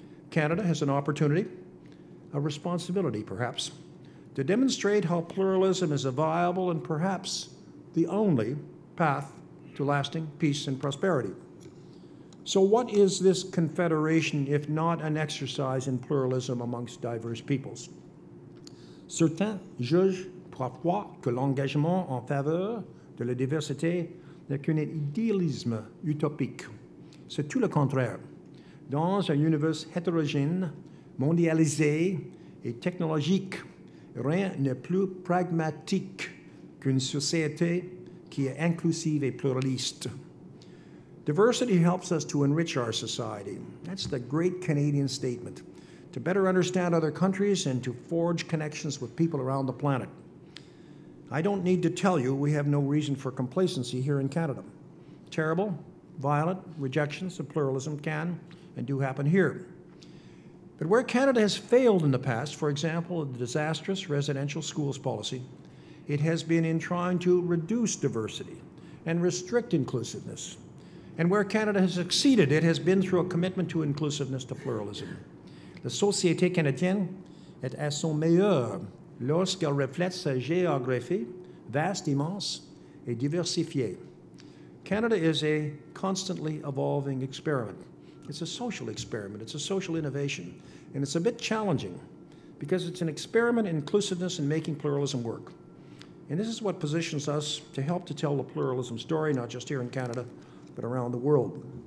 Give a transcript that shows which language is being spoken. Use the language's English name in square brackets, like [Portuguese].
[English] Canada has an opportunity, a responsibility perhaps, to demonstrate how pluralism is a viable and perhaps the only path to lasting peace and prosperity. So what is this confederation if not an exercise in pluralism amongst diverse peoples? [French] Certains jugent parfois que l'engagement en faveur de la diversité n'est qu'un idéalisme utopique. C'est tout le contraire. Dans un univers hétérogène, mondialisé et technologique, rien n'est plus pragmatique qu'une société qui est inclusive et pluraliste. [English] Diversity helps us to enrich our society. That's the great Canadian statement. To better understand other countries and to forge connections with people around the planet. I don't need to tell you we have no reason for complacency here in Canada. Terrible, violent rejections of pluralism can and do happen here. But where Canada has failed in the past, for example, the disastrous residential schools policy, it has been in trying to reduce diversity and restrict inclusiveness. And where Canada has succeeded, it has been through a commitment to inclusiveness to pluralism. [French] La société canadienne est à son meilleur lorsqu'elle reflète sa géographie, vaste, immense, et diversifiée. [English] Canada is a constantly evolving experiment. It's a social experiment, it's a social innovation, and it's a bit challenging because it's an experiment in inclusiveness and making pluralism work. And this is what positions us to help to tell the pluralism story, not just here in Canada, but around the world.